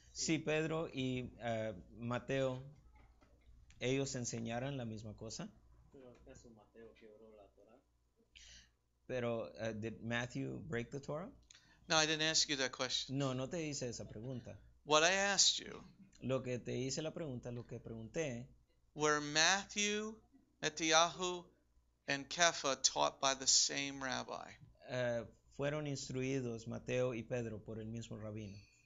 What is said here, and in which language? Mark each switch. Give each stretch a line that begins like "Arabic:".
Spanish: Si Pedro y Mateo, ellos enseñaran la misma cosa. Pero ¿acaso Mateo quebró la Torah?
English: Pero, did Matthew break the Torah? No, I didn't ask you that question.
Spanish: No, no te hice esa pregunta.
English: What I asked you.
Spanish: Lo que te hice la pregunta, lo que pregunté.
English: Were Matthew, Netanyahu, and Kepha taught by the same rabbi?
Spanish: Fueron instruidos Mateo y Pedro por el mismo rabino.